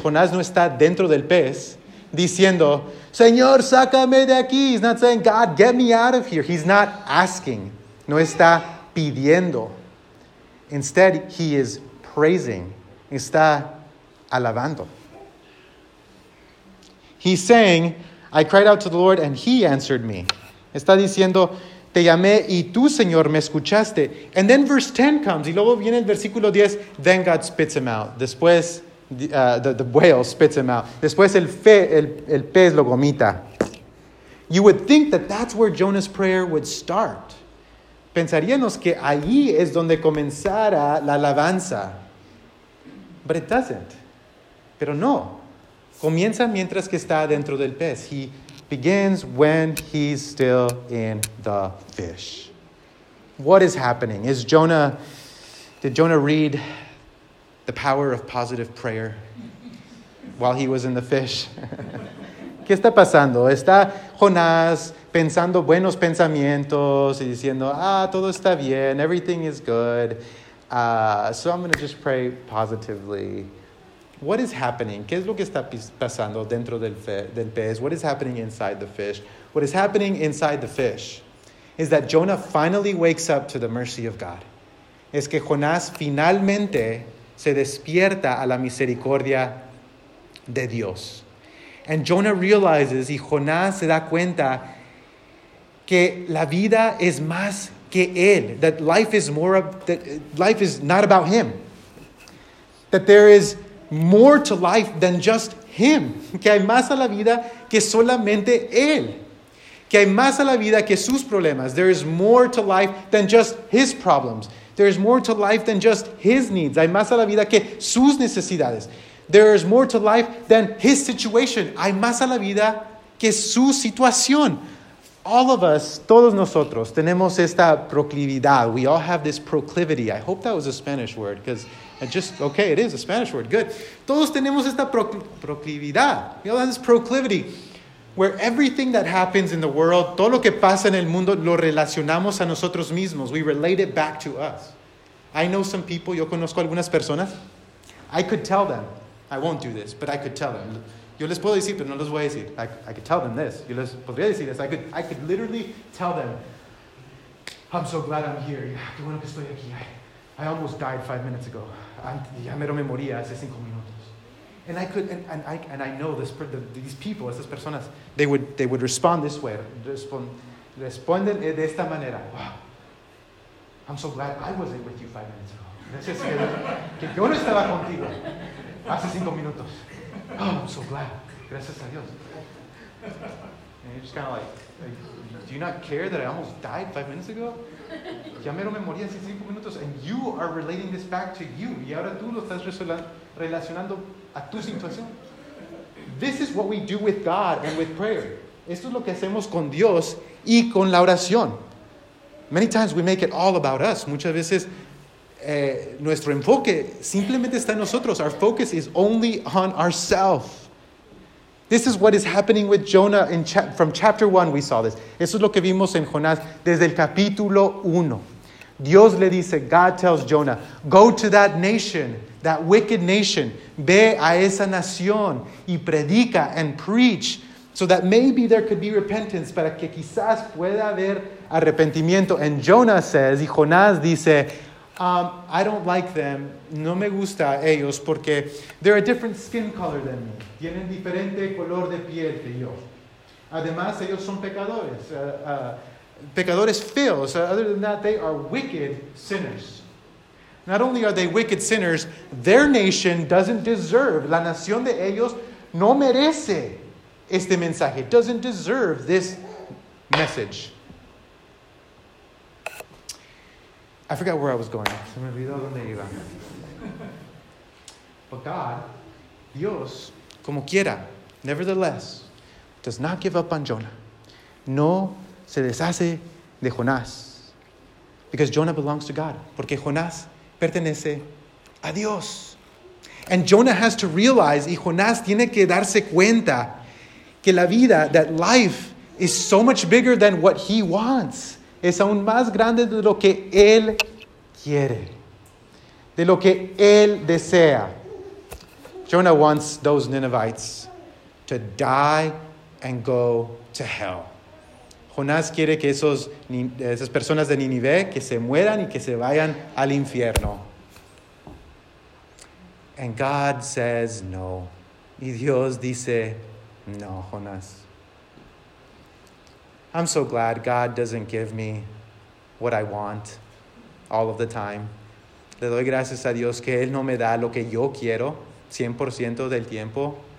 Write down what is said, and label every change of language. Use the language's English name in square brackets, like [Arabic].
[Spanish] Jonás no está dentro del pez diciendo, Señor, sácame de aquí. [English] He's not saying, God, get me out of here. He's not asking. [Spanish] No está pidiendo. [English] Instead, he is praising. [Spanish] Está alabando. [English] He's saying, I cried out to the Lord and he answered me. [Spanish] Está diciendo, te llamé y tú, Señor, me escuchaste. [English] And then verse 10 comes. [Spanish] Y luego viene el versículo 10. [English] Then God spits him out. [Spanish] Después, [English] the whale spits him out. [Spanish] Después, el pez lo vomita. [English] You would think that that's where Jonah's prayer would start. [Spanish] Pensaríamos que ahí es donde comenzara la alabanza. [English] But it doesn't. [Spanish] Pero no. Comienza mientras que está dentro del pez. [English] He begins when he's still in the fish. What is happening? Did Jonah read the power of positive prayer while he was in the fish? [Spanish] ¿Qué está pasando? ¿Está Jonás pensando buenos pensamientos y diciendo, ah, todo está bien, [English] everything is good, so I'm going to just pray positively? What is happening? [Spanish] ¿Qué es lo que está pasando dentro del pez? [English] What is happening inside the fish? What is happening inside the fish is that Jonah finally wakes up to the mercy of God. [Spanish] Es que Jonás finalmente se despierta a la misericordia de Dios. [English] And Jonah realizes, [Spanish] y Jonás se da cuenta, que la vida es más que él. [English] That life is more of, that life is not about him. That there is more to life than just him. [Spanish] Que hay más a la vida que solamente él. Que hay más a la vida que sus problemas. [English] There is more to life than just his problems. There is more to life than just his needs. [Spanish] Hay más a la vida que sus necesidades. [English] There is more to life than his situation. [Spanish] Hay más a la vida que su situación. [English] All of us, [Spanish] todos nosotros, tenemos esta proclividad. [English] We all have this proclivity. I hope that was a Spanish word, because it is a Spanish word. Good. [Spanish] Todos tenemos esta proclividad. [English] We all have this proclivity where everything that happens in the world, [Spanish] todo lo que pasa en el mundo, lo relacionamos a nosotros mismos. [English] We relate it back to us. I know some people, [Spanish] yo conozco algunas personas. [English] I could tell them. I won't do this, but I could tell them. [Spanish] Yo les puedo decir, pero no les voy a decir. [English] I could tell them this. [Spanish] Yo les podría decir [English] this. I could literally tell them, I'm so glad I'm here. [Spanish] Qué bueno que estoy aquí. [English] I almost died 5 minutes ago. [Spanish] Ya mero me moría hace 5 minutos. [English] And I could, and I know this, these people, [Spanish] estas personas, [English] they would respond this way. [Spanish] Responden de esta manera. [English] Wow. I'm so glad I wasn't with you 5 minutes ago. [Spanish] Gracias que yo no estaba contigo hace 5 minutos. [English] Oh, I'm so glad. [Spanish] Gracias a Dios. [English] And you're just kind of like, do you not care that I almost died 5 minutes ago? [Spanish] Ya mero me moría hace 5 minutos. [English] And you are relating this back to you. [Spanish] Y ahora tú lo estás relacionando a tu situación. [English] This is what we do with God and with prayer. [Spanish] Esto es lo que hacemos con Dios y con la oración. [English] Many times we make it all about us. [Spanish] Muchas veces nuestro enfoque simplemente está en nosotros. [English] Our focus is only on ourselves. This is what is happening with Jonah from chapter 1. We saw this. [Spanish] Eso es lo que vimos en Jonás desde el capítulo 1. Dios le dice, [English] God tells Jonah, go to that nation, that wicked nation. [Spanish] Ve a esa nación y predica [English] and preach so that maybe there could be repentance, [Spanish] para que quizás pueda haber arrepentimiento. [English] And Jonah says, [Spanish] y Jonás dice, [English] I don't like them. [Spanish] No me gusta ellos porque [English] they're a different skin color than me. [Spanish] Tienen diferente color de piel que yo. Además, ellos son pecadores. Pecadores feos. [English] Other than that, they are wicked sinners. Not only are they wicked sinners, their nation doesn't deserve. [Spanish] La nación de ellos no merece este mensaje. [English] Doesn't deserve this message. I forgot where I was going. [Spanish] Se me olvidó dónde iba. [English] But God, [Spanish] Dios, como quiera, [English] nevertheless, does not give up on Jonah. [Spanish] No se deshace de Jonás. [English] Because Jonah belongs to God. [Spanish] Porque Jonás pertenece a Dios. [English] And Jonah has to realize, [Spanish] y Jonás tiene que darse cuenta, que la vida, [English] that life, is so much bigger than what he wants. [Spanish] Es aún más grande de lo que él quiere. De lo que él desea. [English] Jonah wants those Ninevites to die and go to hell. [Spanish] Jonás quiere que esas personas de Nínive que se mueran y que se vayan al infierno. [English] And God says no. [Spanish] Y Dios dice, no, Jonás. [English] I'm so glad God doesn't give me what I want all of the time. [Spanish] Le doy gracias a Dios que Él no me da lo que yo quiero 100% del tiempo.